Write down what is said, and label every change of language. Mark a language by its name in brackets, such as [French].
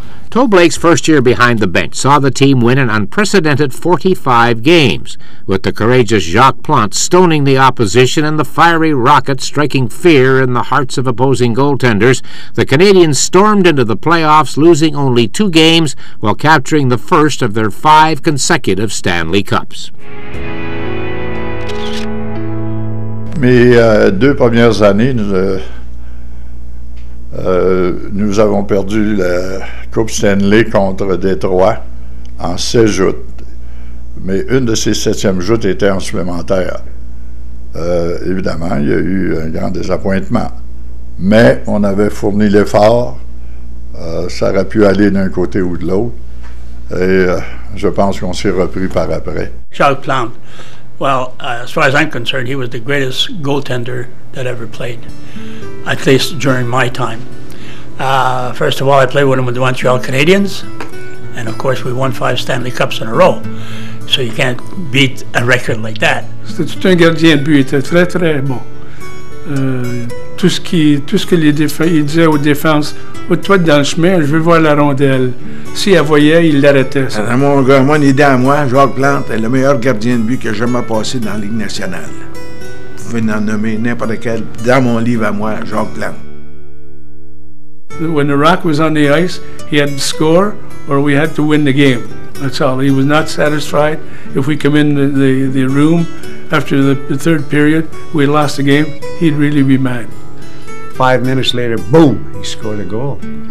[English] Toe Blake's first year behind the bench saw the team win an unprecedented 45 games, with the courageous Jacques Plante stoning the opposition and the fiery Rocket striking fear in the hearts of opposing goaltenders. The Canadiens stormed into the playoffs, losing only 2 games while capturing the first of their 5 consecutive Stanley Cups. [French] Mes deux premières années, nous avons perdu la Coupe Stanley contre Détroit en 16 joutes. Mais une de ces 7e joutes était en supplémentaire. Évidemment, il y a eu un grand désappointement. Mais on avait fourni l'effort. Ça aurait pu aller d'un côté ou de l'autre. Et je pense qu'on s'est repris par après. Charles Plante. [English] Well, as far as I'm concerned, he was the greatest goaltender that ever played, at least during my time. First of all, I played with him with the Montreal Canadiens, and of course we won 5 Stanley Cups in a row, so you can't beat a record like that. [French] C'était un gardien de but, il était très très bon. Tout ce qu'il disait aux défenses, toi dans le chemin, je veux voir la rondelle. S'il la voyait, il l'arrêtait. Dans mon idée à moi, Jacques Plante est le meilleur gardien de but que j'ai jamais passé dans la Ligue nationale. Vous pouvez en nommer n'importe quel dans mon livre à moi, Jacques Plante. [English] When the Rock was on the ice, he had to score or we had to win the game. That's all. He was not satisfied if we come in the room after the third period, we lost the game, he'd really be mad. 5 minutes later, boom, he scored a goal.